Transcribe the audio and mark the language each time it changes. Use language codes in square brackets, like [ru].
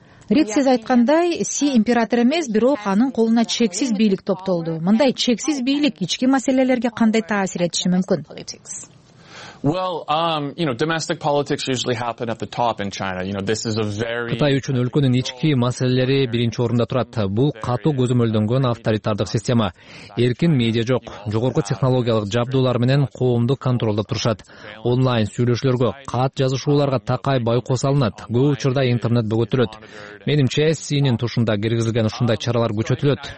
[ky] Рит, сиз айткандай, Си император эмес, бирок анын колуна чексиз бийлик топтолду. Мындай чексиз бийлик ички маселелерге кандай таасир этиши мүмкүн? [en] Domestic politics usually happen at the top in China. You know, this is a very [ky] Кытай үчүн өлкөнүн ички маселелери биринчи орунда турат. Бул катуу көзөмөлдөнгөн авторитардык система. Эркин медиа жок. Жогорку технологиялык жабдуулар менен коомду контролдоп турушат. Онлайн сүйлөшүүлөргө, кат жазышууларга такай байкоо салынат. Көп учурда интернет бөгөтүлөт. Менимче, Си'нин тушунда киргизилген ушундай чаралар күчөтүлөт.